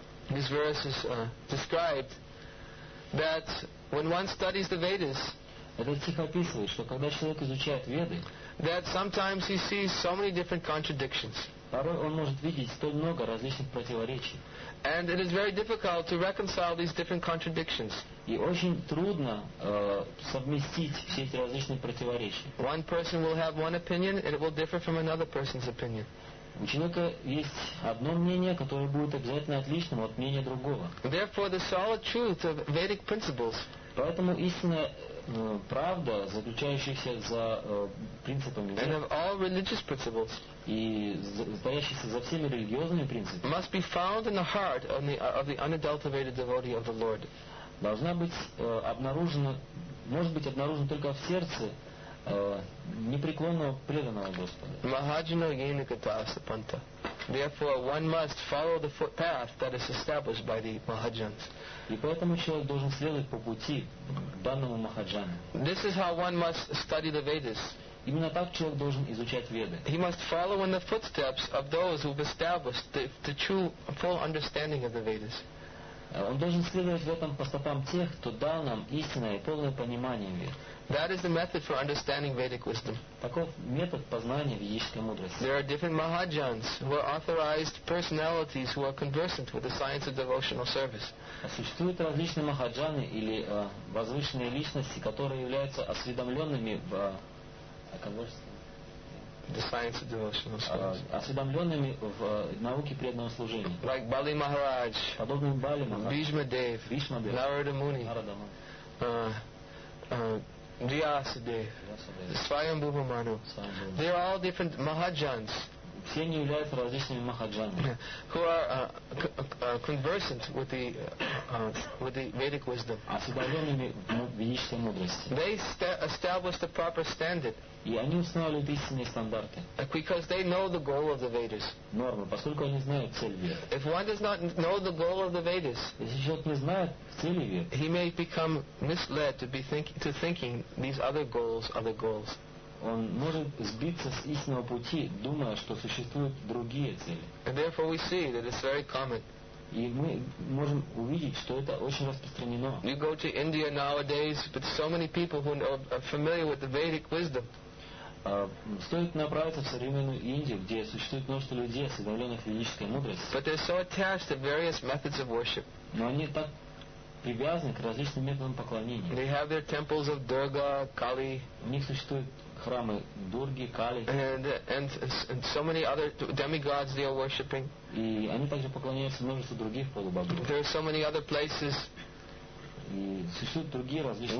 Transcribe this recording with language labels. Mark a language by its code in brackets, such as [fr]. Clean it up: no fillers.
[en] This verse is described that when one studies the Vedas, [ru] этот стих описывает, что когда человек изучает Веды, [en] that sometimes he sees so many different contradictions. [ru] Порой он может видеть столь много различных противоречий. [en] And it is very difficult to reconcile these different contradictions. [ru] И очень трудно совместить все эти различные противоречия. [en] One person will have one opinion, and it will differ from another person's opinion. [ru] У человека есть одно мнение, которое будет обязательно отличным от мнения другого. [en] Therefore, the solid truth of Vedic principles. [ru] Поэтому истинная правда, заключающаяся за принципами [en] and of all religious principles, [ru] и стоящаяся за всеми религиозными принципами, [en] must be found in the heart of the unadulterated devotee of the Lord. [ru] Должна быть обнаружена, может быть обнаружена только в сердце непреклонного преданного Господа. [sa] Mahajano yena kata sapanta. [en] Therefore, one must follow the path that is established by the Mahajans. [ru] И поэтому человек должен следовать по пути данному Махаджане. [en] This is how one must study the Vedas. [ru] Именно так человек должен изучать Веды. [en] He must follow in the footsteps of those who have established the true, full understanding of the Vedas. [ru] Он должен следовать в этом по стопам тех, кто дал нам истинное и полное понимание Вед. [en] That is the method for understanding Vedic wisdom. [ru] Таков метод познания ведической мудрости. [en] There are different Mahajans who are authorized personalities who are conversant with the science of devotional service. [ru] Существуют различные махаджаны или возвышенные личности, которые являются осведомленными в [en] the science of devotional service. [ru] Осведомленными в науке преданного служения. [en] Like Bali Maharaj, [ru] подобным Бали Махарадж, Бхишма Дев, Бхишма Дев, Нарада Муни, Нарада Муни, Вьяса Дев, Свайамбхува Ману. [en] They are all different Mahajans. [ru] Все они являются различными Mahajans. [en] Who are conversant with the Vedic wisdom. [ru] Осведомленными в ведической мудрости. [en] They establish the proper standard. [ru] И они устанавливают истинные стандарты. [en] Because they know the goal of the Vedas. [ru] Нормы, поскольку они знают цель Вед. [en] If one does not know the goal of the Vedas, [ru] если человек не знает цели Вед, [en] he may become misled to be thinking these other goals are the goals. [ru] Он может сбиться с истинного пути, думая, что существуют другие цели. [en] And therefore we see that it's very common. [ru] И мы можем увидеть, что это очень распространено. [en] You go to India nowadays, but so many people who are familiar with the Vedic wisdom. [ru] Стоит направиться в современную Индию, где существует множество людей, осведомленных ведической мудрости. [en] But they're so attached to various methods of worship. [ru] Но они так привязаны к различным методам поклонения. [en] They have their temples of Durga, Kali. [ru] У них существуют храмы Дурги, Кали. [en] And so many other demigods they are worshipping. [ru] И они также поклоняются множеству других полубогов. [en] There are so many other places. [ru] И существуют другие различные